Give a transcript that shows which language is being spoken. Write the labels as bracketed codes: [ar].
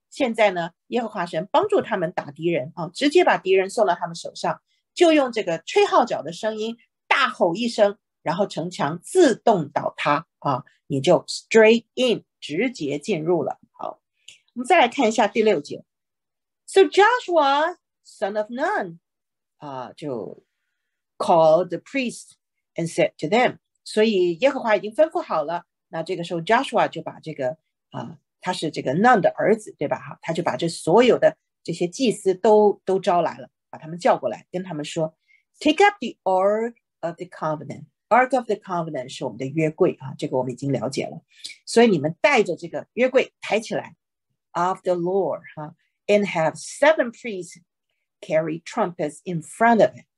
[zh] 现在呢，耶和华神帮助他们打敌人啊，直接把敌人送到他们手上，就用这个吹号角的声音大吼一声，然后城墙自动倒塌啊，你就 [en] straight in [zh] 直接进入了。我们再来看一下第六节。 [en] So Joshua, son of Nun, 就 called the priest and said to them。 [zh] 所以耶和华已经吩咐好了。那这个时候 Joshua 就把这个他是这个 Nun 的儿子，对吧？哈，他就把这所有的这些祭司都招来了，把他们叫过来，跟他们说： [en] “Take up the ark of the covenant。 Ark of the covenant [zh] 是我们的约柜啊，这个我们已经了解了。所以你们带着这个约柜抬起来。” [en] Of the Lord, huh? And have 7 priests carry trumpets in front of it.